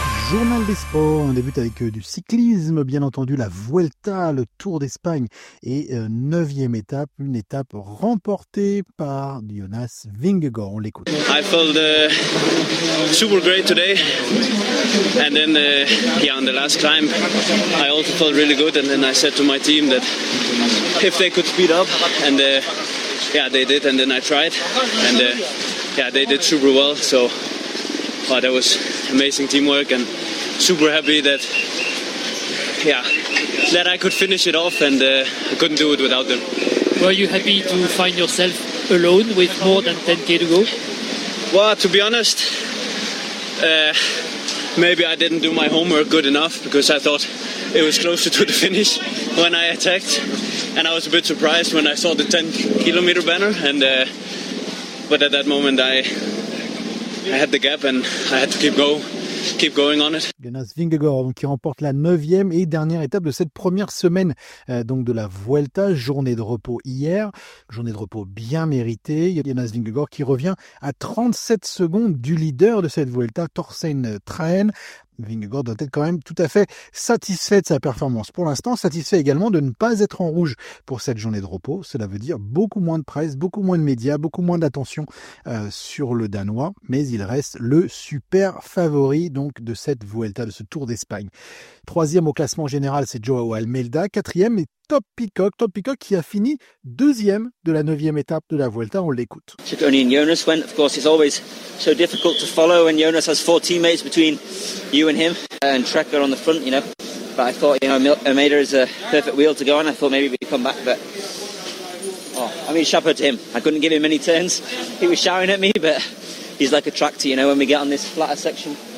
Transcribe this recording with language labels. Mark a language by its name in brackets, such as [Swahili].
[French] Journal des sports, on débute avec du cyclisme, bien entendu la Vuelta, le Tour d'Espagne, et 9e étape, une étape remportée par Jonas Vingegaard, on l'écoute. [English] I felt super great today, and then on the last climb, I also felt really good, and then I said to my team that if they could speed up, and they did, and then I tried, and they did super well, so wow, that was amazing teamwork, and super happy that I could finish it off, and I couldn't do it without them. Were you happy to find yourself alone with more than 10k to go? Well, to be honest, maybe I didn't do my homework good enough, because I thought it was closer to the finish when I attacked, and I was a bit surprised when I saw the 10-kilometer banner, and but at that moment I had the gap and I had to keep going on it. [French] Jonas Vingegaard qui remporte la 9e et dernière étape de cette première semaine donc de la Vuelta, journée de repos hier, journée de repos bien méritée. Jonas Vingegaard qui revient à 37 secondes du leader de cette Vuelta, Thorstein Træen. Vingegaard doit être quand même tout à fait satisfait de sa performance. Pour l'instant, satisfait également de ne pas être en rouge pour cette journée de repos. Cela veut dire beaucoup moins de presse, beaucoup moins de médias, beaucoup moins d'attention sur le Danois. Mais il reste le super favori donc de cette Vuelta, de ce Tour d'Espagne. Troisième au classement général, c'est Joao Almeida. Quatrième est Top Peacock qui a fini deuxième de la 9e étape de la Vuelta. On l'écoute. [English] Cicconi and Jonas went, of course, it's always so difficult to follow, and Jonas has four teammates between you and him, and Trekker on the front, you know. But I thought, you know, Almeida is a perfect wheel to go on. I thought maybe we'd come back, but chapeau to him. I couldn't give him many turns. He was shouting at me, but he's like a tractor, you know, when we get on this flatter section.